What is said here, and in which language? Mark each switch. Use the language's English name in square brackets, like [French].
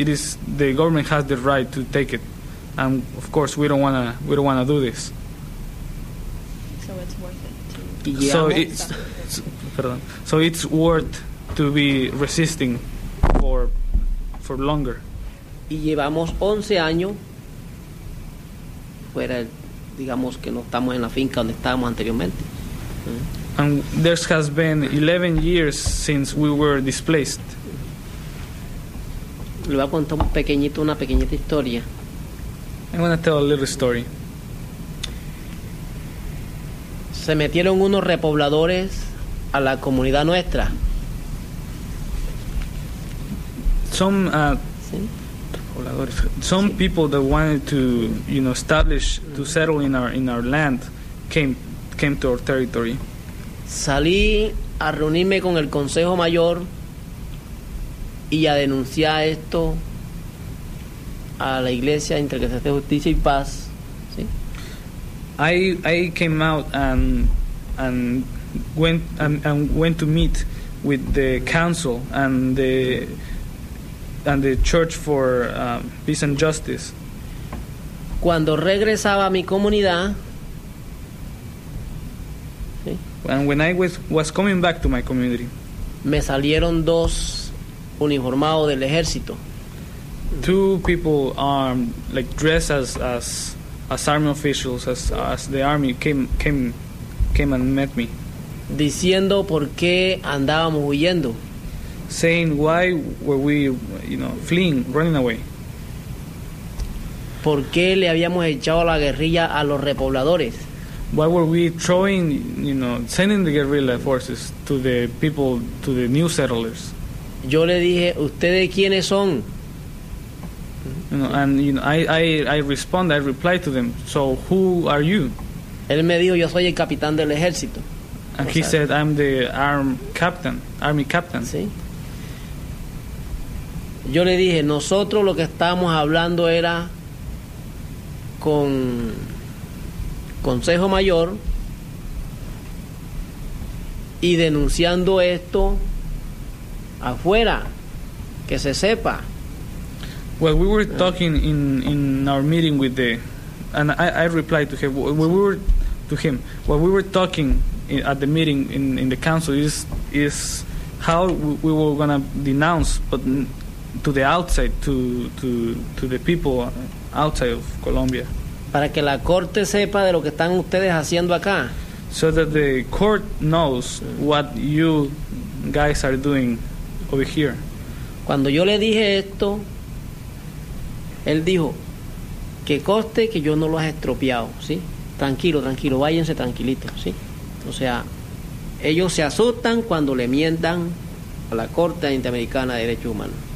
[English] It is the government has the right to take it, and of course we don't wanna do this. So it's worth it. So it's worth to be resisting for longer. [Spanish] Y llevamos 11 años fuera, digamos que no estamos en la finca donde estábamos anteriormente. [English] And there has been 11 years since we were displaced. [Spanish] Le voy a contar una pequeñita historia. [English] I'm going to tell a little story. [Spanish] Se metieron unos repobladores a la comunidad nuestra. [English] Some people that wanted to, you know, establish, to settle in our land came to our territory. [Spanish] Salí a reunirme con el Consejo Mayor y a denunciar esto a la Iglesia Intercesora de Justicia y Paz. ¿Sí? [English] I came out and went to meet with the council and the Church for Peace and Justice. [Spanish] Cuando regresaba a mi comunidad, [English] and when I was coming back to my community, [Spanish] me salieron dos uniformados del ejército. [English] Two people armed, like dressed as army officials, as the army came and met me. [Spanish] Diciendo por qué andábamos huyendo. [English] Saying why were we, you know, fleeing, running away. [Spanish] Por qué le habíamos echado la guerrilla a los repobladores. [English] Why were we throwing, you know, sending the guerrilla forces to the people, to the new settlers? [Spanish] Yo le dije, ¿ustedes quiénes son? [English] You know, and you know, I replied to them, so who are you? [Spanish] Él me dijo, yo soy el capitán del ejército. [English] And he said, I'm the army captain. [Spanish] Sí. Yo le dije, nosotros lo que estábamos hablando era con Consejo Mayor y denunciando esto afuera, que se sepa. [English] Well, we were talking in our meeting with the, and I replied to him, at the meeting in the council is how we were going to denounce, but to the outside, to the people outside of Colombia. [Spanish] Para que la corte sepa de lo que están ustedes haciendo acá. [English] So that the court knows what you guys are doing over here. [Spanish] Cuando yo le dije esto, él dijo, que coste que yo no lo has estropeado, ¿sí? Tranquilo, tranquilo, váyanse tranquilito, ¿sí? O sea, ellos se asustan cuando le mientan a la Corte Interamericana de Derechos Humanos.